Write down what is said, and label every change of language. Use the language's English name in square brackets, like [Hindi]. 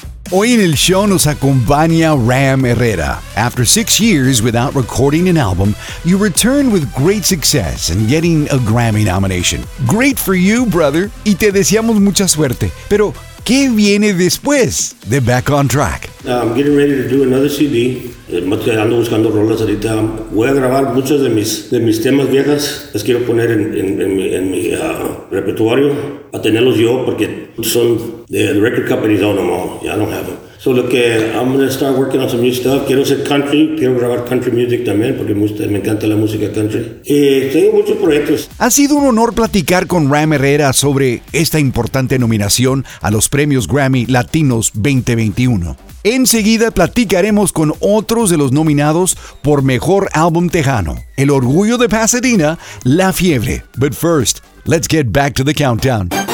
[Spanish] Hoy en el show nos acompaña Ram Herrera. [English] After 6 years without recording an album, you returned with great success and getting a Grammy nomination. Great for you, brother. [Spanish] Y te deseamos mucha suerte. Pero, ¿qué viene después de Back on Track? [English] I'm getting ready to do another CD. [Spanish] Ando buscando rolas ahorita. Voy a grabar muchos de mis temas viejas. Las quiero poner en mi repertorio. A tenerlos yo porque son de [English] the record companies own them all. Yeah, I don't have them. So look, I'm going to start working on some new stuff. [Spanish] Quiero hacer country. Quiero grabar country music también porque me encanta la música country. Tengo muchos proyectos. Ha sido un honor platicar con Ram Herrera sobre esta importante nominación a los premios Grammy Latinos 2021. Enseguida platicaremos con otros de los nominados por Mejor Álbum Tejano, El Orgullo de Pasadena, La Fiebre. [English] But first, let's get back to the countdown.